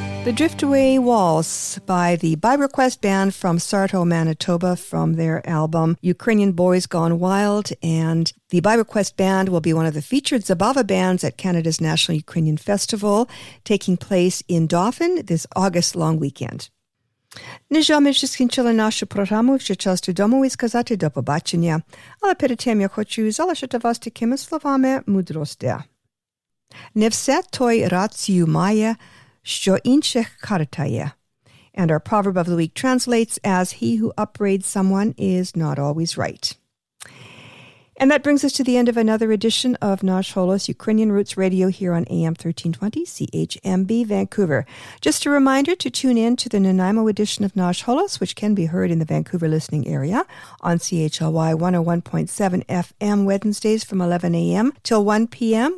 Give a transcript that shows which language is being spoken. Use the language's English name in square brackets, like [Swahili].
[English] Driftway Waltz by the By Request Band from Sarto, Manitoba, from their album Ukrainian Boys Gone Wild. And the By Request Band will be one of the featured Zabava bands at Canada's National Ukrainian Festival, taking place in Dauphin this August long weekend. [Ukrainian] Нежами вже скінчили нашу програму, вже час додому і сказати до побачення. Але перед тим я хочу залишити вас такими словами мудрості. Не все той рацію має, що інших картає. [English] And our proverb of the week translates as, he who upbraids someone is not always right. And that brings us to the end of another edition of Nash Holos Ukrainian Roots Radio here on AM 1320 CHMB Vancouver. Just a reminder to tune in to the Nanaimo edition of Nash Holos, which can be heard in the Vancouver listening area on CHLY 101.7 FM Wednesdays from 11 a.m. till 1 p.m.